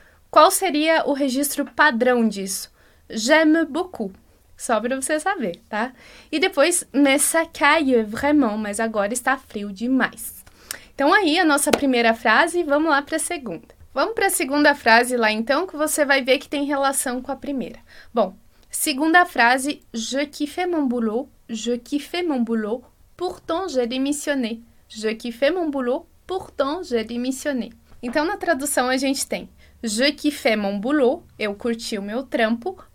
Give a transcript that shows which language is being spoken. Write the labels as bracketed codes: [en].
[pt] Qual seria o registro padrão disso? [fr] J'aime beaucoup. [pt] Só para você saber, tá? E depois, [fr] mais ça caille vraiment, [pt] mas agora está frio demais. Então, aí, a nossa primeira frase, vamos lá para a segunda. Vamos para a segunda frase lá, então, que você vai ver que tem relação com a primeira. Bom, segunda frase, [fr] je kiffe mon boulot, je kiffe mon boulot, pourtant j'ai démissionné. Je kiffe mon boulot, pourtant j'ai démissionné. [pt] Então, na tradução, a gente tem [fr] je kiffe mon boulot, [pt] eu curti o meu trampo.